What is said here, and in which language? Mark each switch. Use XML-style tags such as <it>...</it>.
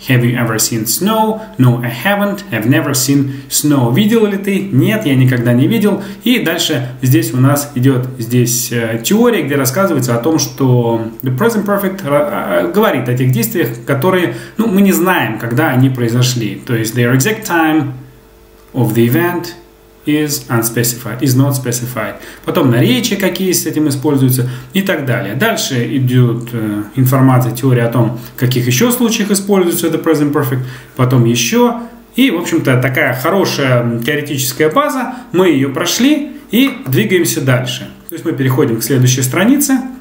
<en>Have you ever seen snow? No, I haven't. I've never seen snow.</en> <ru>Видел ли ты? Нет, я никогда не видел. И дальше здесь у нас идет здесь теория, где рассказывается о том, что the Present Perfect говорит о тех действиях, которые, ну, мы не знаем, когда они произошли. То есть</ru> <en>their exact time of the event is unspecified, is not specified.</en> <ru>Потом наречия какие с этим используются и так далее. Дальше идет информация, теория о том, в каких еще случаях используется the present perfect, потом еще. И, в общем-то, такая хорошая теоретическая база. Мы ее прошли и двигаемся дальше. То есть мы переходим к следующей странице.</ru>